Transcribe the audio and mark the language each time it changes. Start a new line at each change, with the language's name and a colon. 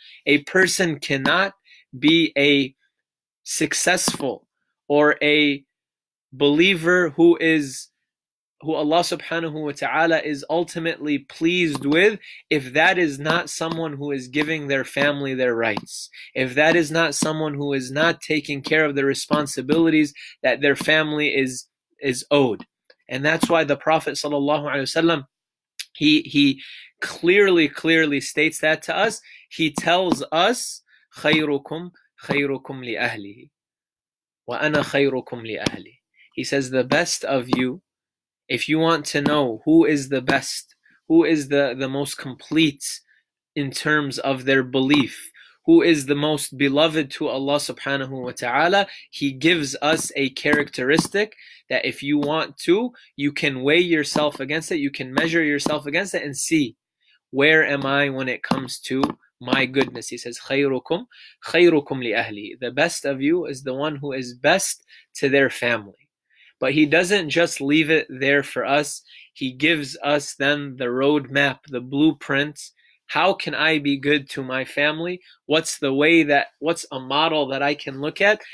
English: A person cannot be a successful or a believer who Allah subhanahu wa ta'ala is ultimately pleased with, if that is not someone who is giving their family their rights, if that is not someone who is not taking care of the responsibilities that their family is owed. And that's why the Prophet sallallahu alaihi wasallam, he clearly states that to us. He tells us,
Arabic: خيركم خيركم لأهله وأنا خيركم لأهلي.
English: He says, the best of you, if you want to know who is the best, who is the most complete in terms of their belief, who is the most beloved to Allah subhanahu wa ta'ala, he gives us a characteristic that if you want to, you can weigh yourself against it, you can measure yourself against it and see, where am I when it comes to my goodness? He says,
Arabic: خيركم خيركم لأهلي.
English: The best of you is the one who is best to their family. But he doesn't just leave it there for us. He gives us then the roadmap, the blueprint. How can I be good to my family? What's the way that, what's a model that I can look at?